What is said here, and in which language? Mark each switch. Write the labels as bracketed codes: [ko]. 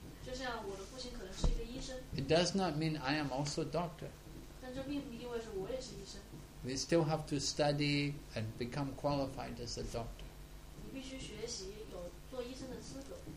[zh] 就像我的父亲可能是一个医生。 [en] It does not mean I am also a doctor. [zh] 但这并不意味着我也是医生。 [en] We still have to study and become qualified as a doctor. [zh] 你必须学习有做医生的资格。